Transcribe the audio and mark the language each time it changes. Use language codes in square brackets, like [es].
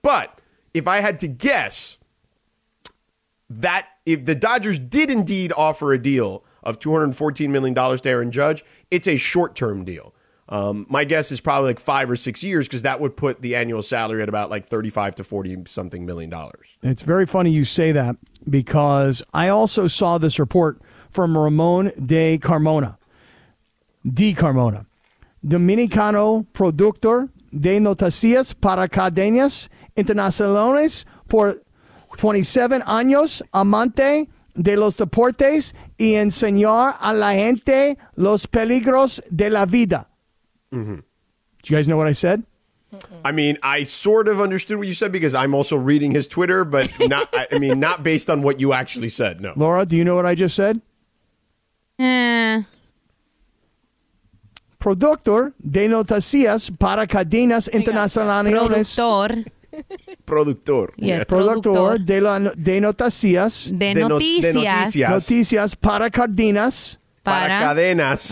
[en] But if I had to guess, that if the Dodgers did indeed offer a deal of $214 million to Aaron Judge, it's a short-term deal. My guess is probably like 5 or 6 years, because that would put the annual salary at about like 35 to 40 something million dollars. It's very funny you say that, because I also saw this report from Ramon de Carmona. Di Carmona. [es] Dominicano productor de noticias para cadenas internacionales por 27 años, amante de los deportes y enseñar a la gente los peligros de la vida. Mm-hmm. [en] Do you guys know what I said? Mm-mm. I mean, I sort of understood what you said because I'm also reading his Twitter, but not I mean, not based on what you actually said, no. Laura, do you know what I just said? [es] Productor de noticias para cadenas internacionales. Productor. Productor. [en] Yes, [es] productor. De noticias. De noticias. Noticias para cadenas. Para cadenas.